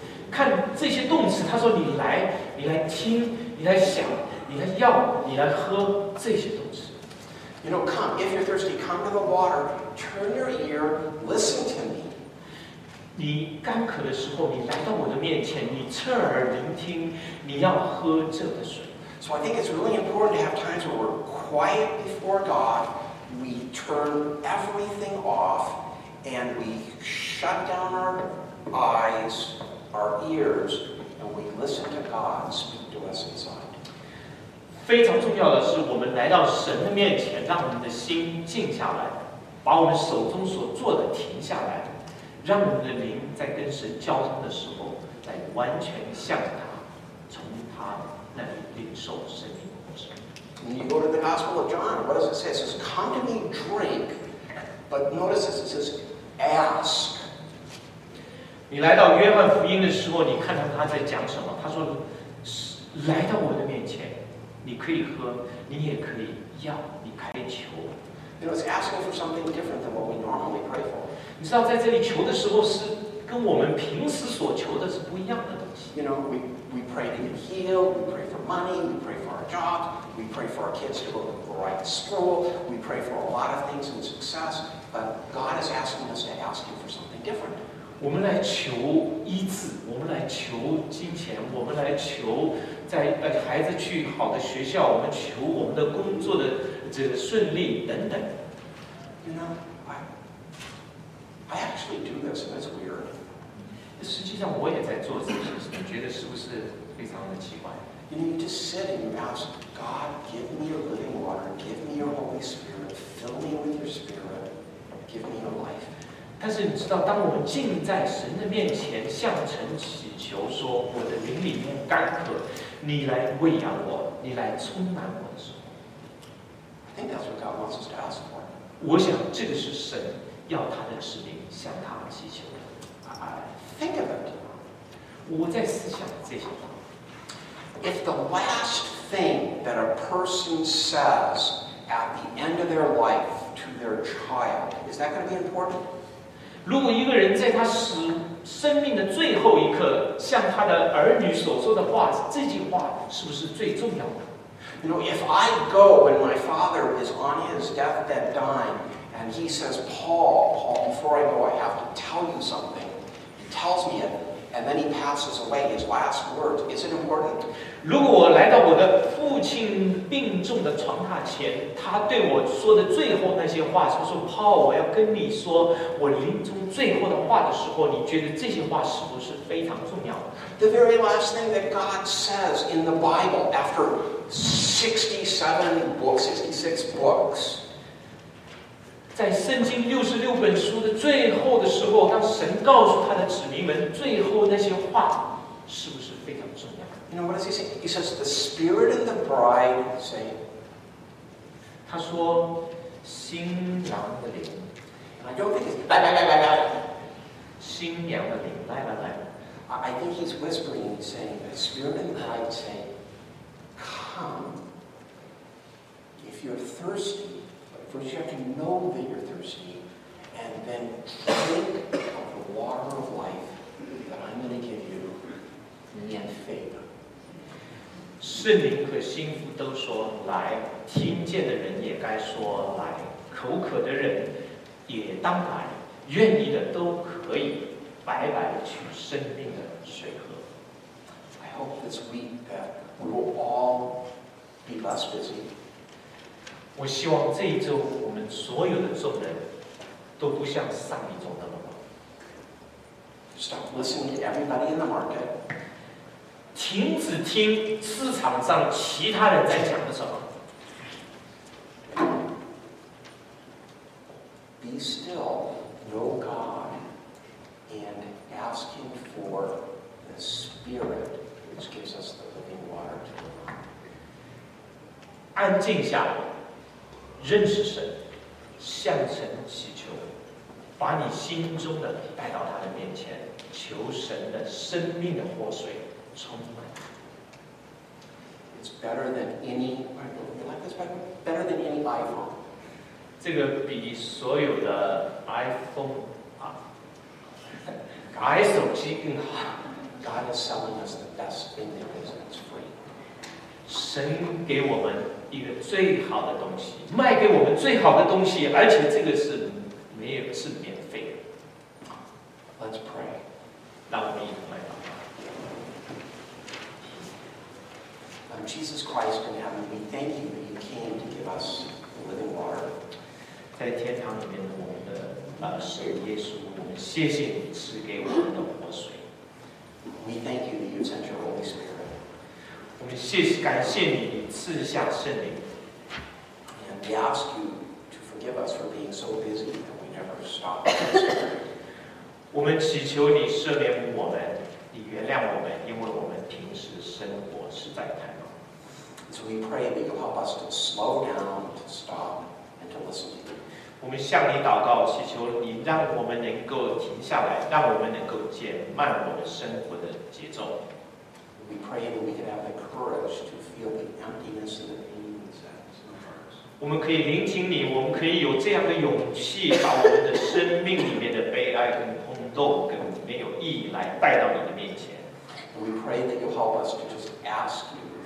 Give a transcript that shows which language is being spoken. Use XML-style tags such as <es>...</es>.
<zh>看这些动词，他说你来，你来听，你来想，你来要，你来喝这些动词。</zh> <en>You know, come, if you're thirsty, come to the water. Turn your ear, listen to me.</en> <zh>你干渴的时候，你来到我的面前，你侧耳聆听，你要喝这个水。</zh> <en>So I think it's really important to have times where we're quiet before God. We turn everything off, and we shut down our eyes, our ears, and we listen to God speak to us inside.</en> <zh>非常重要的是，我们来到神的面前，让我们的心静下来，把我们手中所做的停下来，让我们的灵在跟神交通的时候，来完全向他，从他那里领受生命。</zh> <en>When you go to the Gospel of John, what does it say? It says, come to me, drink. But notice this, it says, ask.</en> <zh>你来到约翰福音的时候，你看到他在讲什么？他说，来到我的面前，你可以喝，你也可以要，你可以求。</zh> <en>You know, it's asking for something different than what we normally pray for.</en> <zh>你知道在这里求的时候是跟我们平时所求的是不一样的东西。</zh> <en>You know, we pray to get healed, we pray for money, we pray for our jobs. We pray for our kids to go to the right school. We pray for a lot of things and success. But God is asking us to ask Him for something different.</en> <zh>我们来求医治，我们来求金钱，我们来求在孩子去好的学校，我们求我们的工作的这个顺利等等。</zh> <en>You know, I actually do this, and it's weird.</en> <zh>实际上我也在做这些事，你觉得是不是非常的奇怪？</zh> <en>You need to sit and ask God, give me your living water, give me your Holy Spirit, fill me with your Spirit, give me your life.</en> <zh>但是你知道，当我们静在神的面前，向神祈求说，我的灵里面干渴，你来喂养我，你来充满我的时候</zh> <en>，I think that's what God wants us to ask for.</en> <zh>我想这个是神要他的子民向他祈求的。</zh> <en>Think of it.</en> <zh>我在思想这些话。</zh> <en>If the last thing that a person says at the end of their life to their child, is that going to be important?</en> <zh>如果一个人在他生命的最后一刻向他的儿女所说的话，这句话是不是最重要的？</zh> <en>You know, if I go and my father is on his deathbed dying, and he says, Paul, before I go, I have to tell you something. He tells me it. And then he passes away. His last words. Is it important?</en> <zh>如果我来到我的父亲病重的床榻前，他对我说的最后那些话，是不是 Paul， 我要跟你说我临终最后的话的时候，你觉得这些话是不是非常重要？</zh> <en>The very last thing that God says in the Bible after 66 books.</en> <zh>在圣经66本书的最后的时候，当神告诉他的子民们最后那些话，是不是非常重要？</zh> <en>You know what does he say? He says the spirit and the bride say.</en> <zh>他说新郎的灵。</zh> <en>I don't think he's like.</en> <zh>新娘的灵，来。</zh> <en>I think he's whispering, saying the spirit and the bride say, come. If you're thirsty. First, you have to know that you're thirsty, and then drink of the water of life that I'm going to give you in faith.</en> <zh>圣灵和心腹都说来，听见的人也该说来，口渴的人也当来，愿意的都可以白白取生命的水喝。</zh> <en>I hope this week that we will all be less busy.</en> <zh>我希望这一周我们所有的众人都不像上一周那么忙。</zh> <en>Stop listening to everybody in the market.</en> <zh>停止听市场上其他人在讲的什么。</zh> <en>Be still, know God, and ask Him for the Spirit, which gives us the living water to live on.</en> <zh>安静下，认识神，向神祈求，把你心中的带到他的面前，求神的生命的活水充满。</zh> <en>It's better than any. You like this better? Better than any iPhone.</en> <zh>这个比所有的 iPhone 啊，改手机更好。</zh> <en>God is selling us the best thing there is, and it's free.</en> <zh>神给我们一个最好的东西，卖给我们最好的东西，而且这个是没有是免费的。</zh> <en>Let's pray.</en> <zh>让我们一同来祷告。</zh> <en>Jesus Christ in heaven, we thank you that you came to give us the living water.</en> <zh>在天堂里面的我们的神耶稣，我们谢谢你赐给我们的活水。</zh> <en>We thank you that you sent your Holy Spirit.</en> <zh>我们谢谢感谢你赐下圣灵。</zh> <en>And we ask you to forgive us for being so busy that we never stop listening.</en> <zh>我们祈求你赦免我们，你原谅我们，因为我们平时生活实在太忙。</zh> <en>So we pray that you help us to slow down, to stop, and to listen to you.</en> <zh>我们向你祷告，祈求你让我们能够停下来，让我们能够减慢我们生活的节奏。</zh> <en>We pray that we can have the courage to feel the emptiness and the pain in our hearts.</en> <zh>我们可以聆听你，我们可以有这样的勇气，把我们的生命里面的悲哀跟空洞跟没有意义来带到你的面前。</zh> <en>We pray that you help us to just ask you.</en>